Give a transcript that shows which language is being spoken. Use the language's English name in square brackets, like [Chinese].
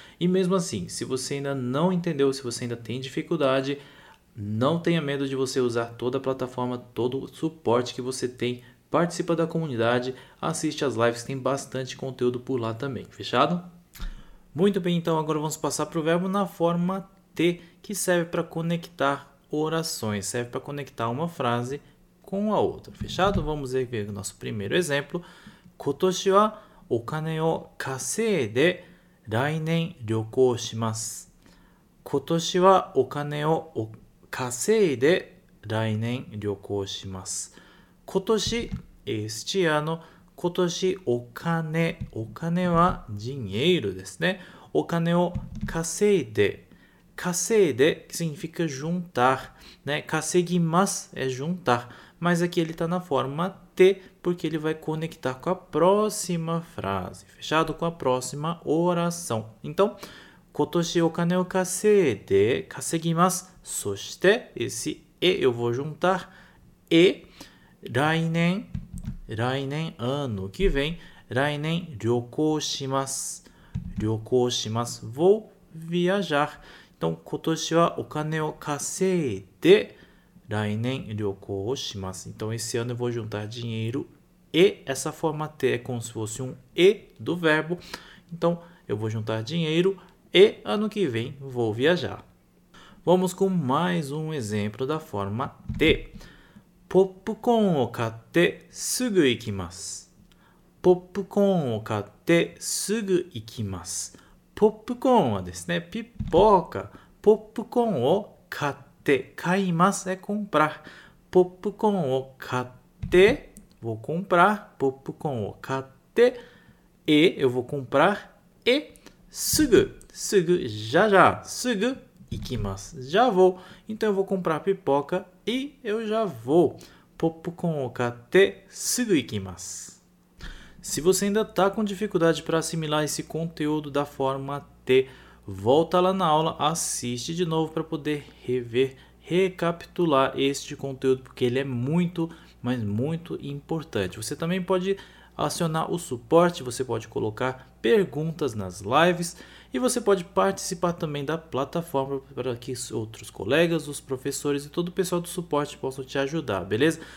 [Portuguese] E mesmo assim, se você ainda não entendeu, se você ainda tem dificuldade, não tenha medo de você usar toda a plataforma, todo o suporte que você tem, participa da comunidade, assiste as lives, tem bastante conteúdo por lá também, fechado? Muito bem, então agora vamos passar para o verbo na forma T, que serve para conectar orações, serve para conectar uma frase com a outra. Fechado? Vamos ver o nosso primeiro exemplo. [Japanese] 今年はお金を稼いで来年旅行します。今年はお金を稼いで来年旅行します。今年、 [Portuguese] este ano、 [Japanese] 今年お金、お金は [Portuguese] dinheiro [Japanese] ですね。お金を稼いで、稼いで、 [Portuguese] que significa juntar, né? [Japanese] 稼ぎます [Portuguese] é juntar, mas aqui ele está na forma T, porque ele vai conectar com a próxima frase, fechado? Com a próxima oração. Então, [Japanese] 今年お金を稼いで稼ぎます。そして、 [Portuguese] si, et eu vou juntar, et, 来年、ano que vem, [Japanese] 来年旅行します。旅行します。 [Portuguese] vou viajar. Então, [Japanese] 今年はお金を稼いで来年旅行をします。 [Portuguese] Então, esse ano eu vou juntar dinheiro e essa forma T é como se fosse e do verbo. Então, eu vou juntar dinheiro e ano que vem vou viajar. Vamos com mais exemplo da forma T. [Japanese] Popcorn を買ってすぐ行きます。 Popcorn を買ってすぐ行きます。 Popcorn はですね、ピッポーカ。Popcorn を買って買います [Portuguese] é comprar. [Japanese] Popcorn を買って [Portuguese] vou comprar. [Japanese] Popcorn を買って [Portuguese] e eu vou comprar [Japanese] e すぐ já すぐ行きます [Portuguese] já vou. Então eu vou comprar pipoca e eu já vou. [Japanese] Popcorn を買ってすぐ行きます。 [Portuguese] Se você ainda está com dificuldade para assimilar esse conteúdo da forma T, volta lá na aula, assiste de novo para poder rever, recapitular este conteúdo, porque ele é muito, mas muito importante. Você também pode acionar o suporte, você pode colocar perguntas nas lives e você pode participar também da plataforma para que outros colegas, os professores e todo o pessoal do suporte possam te ajudar, beleza?